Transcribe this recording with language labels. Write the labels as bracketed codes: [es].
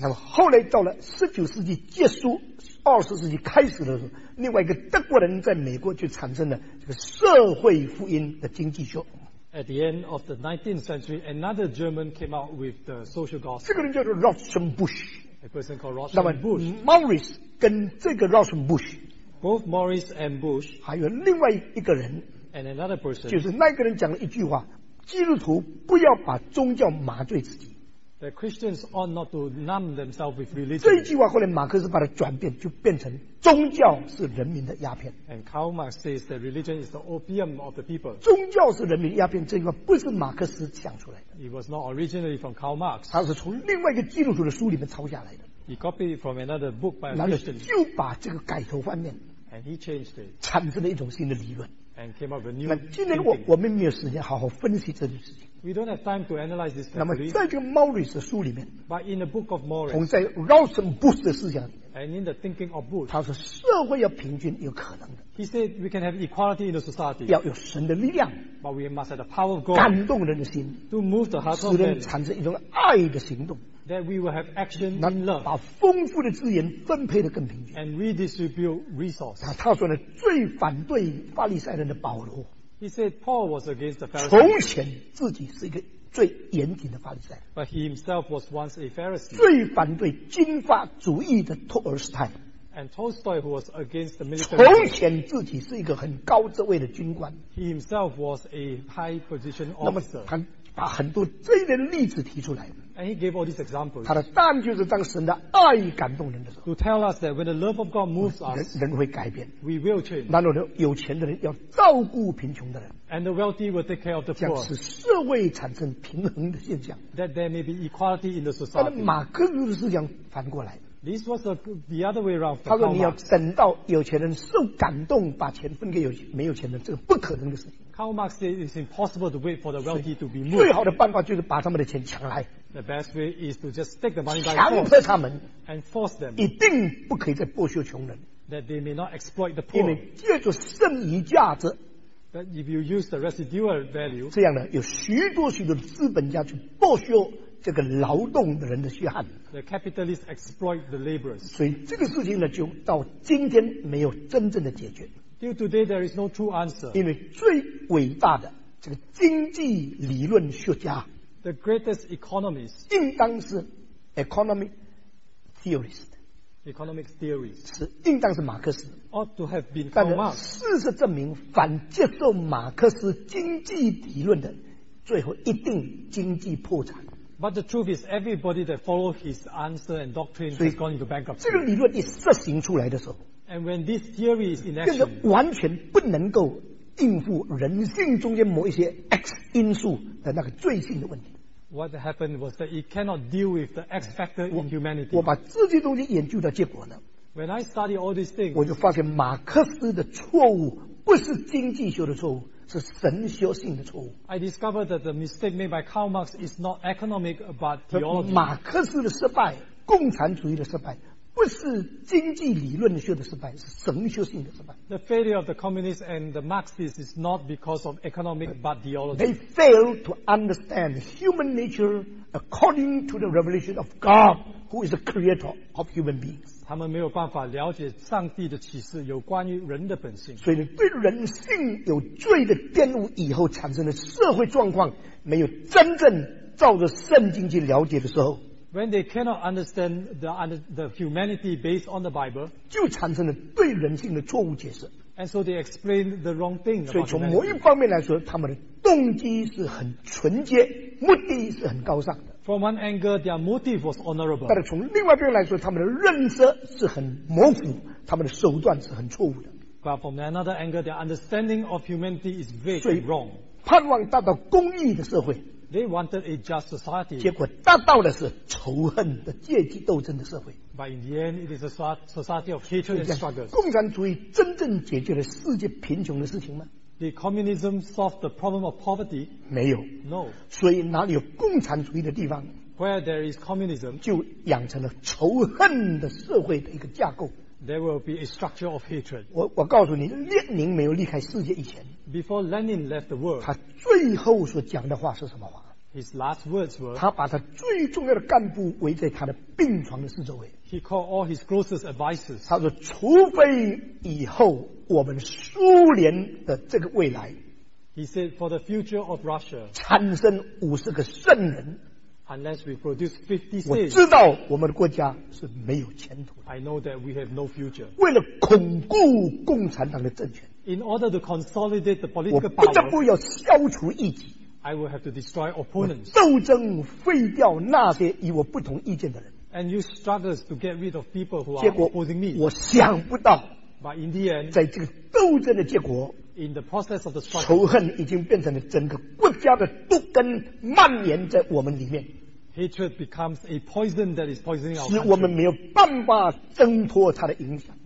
[zh] 那么后来到了19世纪结束20世纪开始的时候另外一个德国人在美国就产生了这个社会福音的经济学 [en] At the end of the 19th century, another German came out with the social gospel. [zh] 这个人叫做 Rauschenbusch. [en] A person called Rauschenbusch. [zh] 那么 Morris 跟这个 Rauschenbusch. [en] Both Morris and Bush. [zh] 还有另外一个人。 [en] And another person. [zh] 就是那个人讲了一句话，基督徒不要把宗教麻醉自己。 [en] The Christians ought not to numb themselves with religion. [zh] 这一句话后来马克思把它转变，就变成宗教是人民的鸦片。 [en] And Karl Marx says that religion is the opium of the people. [zh] 宗教是人民的鸦片，这句话不是马克思想出来的。 [en] It was not originally from Karl Marx. [zh] 它是从另外一个基督徒的书里面抄下来的。 [en] He copied it from another book by a Christian. [zh] 然后就把这个改头换面。 [en] And he changed it. [zh] 产生了一种新的理论。 [en] And came up with a new thinking. [zh] 那今天我们没有时间好好分析这件事情。 [en] We don't have time to analyze this. [zh] 那么在这个 Morris 的书里面 [en] ，But in the book of Morris， [zh] 同在 Rauschenbusch 的思想里面 [en] ，And in the thinking of Bush， [zh] 他说社会要平均有可能的。 [en] He said we can have equality in the society， [zh] 要有神的力量 [en] ，But we must have the power of God， [zh] 感动人的心 [en] ，To move the heart of men， [zh] 使人产生一种爱的行动 [en] ，That we will have action in love， [zh] 把丰富的资源分配得更平均 [en] ，And redistribute resources。 [zh] 他说呢，最反对法利赛人的保罗。 [en] He said Paul was against the Pharisees. [zh] 从前自己是一个最严谨的法利赛。 [en] But he himself was once a Pharisee. [zh] 最反对金发主义的托尔斯泰。 [en] And Tolstoy who was against the military. [zh] 从前自己是一个很高职位的军官。 [en] He himself was a high position officer. [zh] 那么他把很多这些例子提出来。 [en] And he gave all these examples. [zh] 他的答案就是当神的爱感动人的时候。 [en] To tell us that when the love of God moves us, [zh] 人会改变。 [en] We will change. [zh] 然后有钱的人要照顾贫穷的人。 [en] And the wealthy will take care of the poor. [zh] 这样使社会产生平衡的现象。 [en] That there may be equality in the society. [zh] 马克思的思想反过来。 [en] This was the other way around. [zh] 他说你要等到有钱人受感动，把钱分给没有钱人，这个不可能的事情。 [en] Karl Marx said it's impossible to wait for the wealthy to be moved. [zh] 最好的办法就是把他们的钱抢来。 [en] The best way is to just take the money by force. [zh] 强迫他们 [en] and force them. [zh] 一定不可以再剥削穷人。 [en] That they may not exploit the poor. [zh] 因为借助剩余价值。 [en] That if you use the residual value. [zh] 这样呢，有许多许多的资本家去剥削这个劳动的人的血汗。 [en] The capitalists exploit the laborers. [zh] 所以这个事情呢，就到今天没有真正的解决。 [en] Till today, there is no true answer. [zh] 因为最伟大的这个经济理论学家 [en] ，the greatest economist， [zh] 应当是 [en] economic theorist， economic theorist [zh] 是应当是马克思 [en] ，ought to have been Karl Marx。 [zh] 但事实证明，反接受马克思经济理论的，最后一定经济破产。 [en] But the truth is, everybody that follow his answer and doctrine has gone into bankruptcy. [zh] 这个理论一实行出来的时候。 [en] And when this theory is in action, [zh] 就是完全不能够应付人性中间某一些 X 因素的那个罪性的问题。 [en] What happened was that it cannot deal with the X factor in humanity. [zh] 我把这些东西研究的结果呢 [en] ？When I study all these things, [zh] 我就发现马克思的错误不是经济学的错误，是神学性的错误。 [en] I discovered that the mistake made by Karl Marx is not economic but theology. [zh] 马克思的失败，共产主义的失败。不是经济理论学的失败，是神学性的失败。 [en] The failure of the communists and the Marxists is not because of economic but theology. They fail to understand human nature according to the revelation of God, who is the creator of human beings. [zh] 他们没有办法了解上帝的启示，有关于人的本性。所以对人性有罪的玷污以后产生的社会状况，没有真正照着圣经去了解的时候。 [en] When they cannot understand the humanity based on the Bible, [zh] 就产生了对人性的错误解释。 [en] And so they explain the wrong thing. [zh] 所以从某一方面来说，他们的动机是很纯洁，目的是很高尚的。 [en] From one angle, their motive was honorable. [zh] 但是从另外一边来说，他们的认识是很模糊，他们的手段是很错误的。 [en] But from another angle, their understanding of humanity is vague and wrong. [zh] 盼望达到公义的社会。 [en] They wanted a just society. [zh] 结果达到的是仇恨的阶级斗争的社会。 [en] But in the end, it is a society of hatred and struggles. [zh] 共产主义真正解决了世界贫穷的事情吗？ [en] Did communism solve the problem of poverty? [zh] 没有。 [en] No. [zh] 所以哪里有共产主义的地方？ [en] Where there is communism, [zh] 就养成了仇恨的社会的一个架构。 [en] There will be a structure of hatred. [zh] 我告诉你，列宁没有离开世界以前。 [en] Before Lenin left the world, [zh] 他最后所讲的话是什么话？ [en] His last words were, [zh] 他把他最重要的干部围在他的病床的四周围。 [en] He called all his closest advisors. [zh] 他说，除非以后我们苏联的这个未来， [en] He said, for the future of Russia, [zh] 产生50个圣人， [en] unless we produce 50 saints, [zh] 我知道我们的国家是没有前途的。 [en] I know that we have no future. [zh] 为了巩固共产党的政权。 [en] In order to consolidate the political power, [zh] 我不得不要消除异己。 [en] I will have to destroy opponents. [zh] 我斗争废掉那些与我不同意见的人。 [en] And use struggles to get rid of people who are opposing me. [zh] 我想不到。 [en] But in the end, [zh] 在这个斗争的结果， [en] in the process of the struggle, [zh] 仇恨已经变成了整个国家的毒根蔓延在我们里面。 [en] Hatred becomes a poison that is poisoning our country. [zh] 使我们没有办法挣脱它的影响。